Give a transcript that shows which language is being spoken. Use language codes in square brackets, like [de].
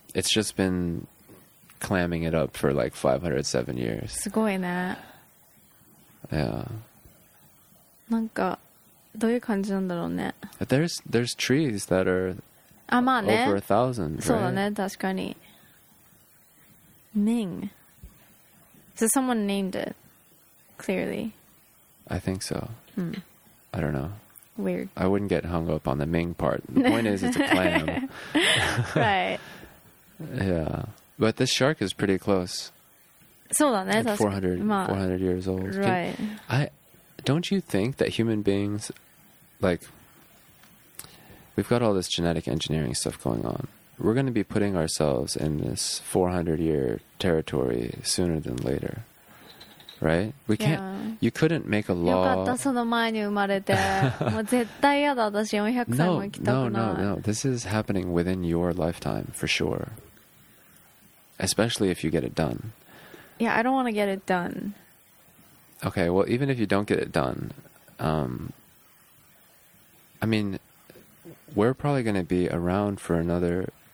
[en] It's just been clamming it up for like 507 years. [ja] すごいね。 [en] Yeah. [ja] なんかどういう感じなんだろうね。 [en] But there's trees that are over a thousand. [ja] そうだね、確かに。Ming. [en] So someone named it, clearly. I think so. I don't know. Weird. I wouldn't get hung up on the Ming part. The point is, it's a clam. Right. Yeah. But this shark is pretty close. [ja] そうだね。 [en] 400 years old. Right. Don't you think that human beings, like, we've got all this genetic engineering stuff going on. We're going to be putting ourselves in this 400-year territory sooner than later, right? We can't. Yeah. You couldn't make a law. [ja] よかった、その前に生まれて。もう絶対やだ、私400歳も生きたくない。 [en] No. This is happening within your lifetime for sure. Especially if you get it done. Yeah, I don't want to get it done. Okay, well, even if you don't get it done, I mean, we're probably going to be around for another.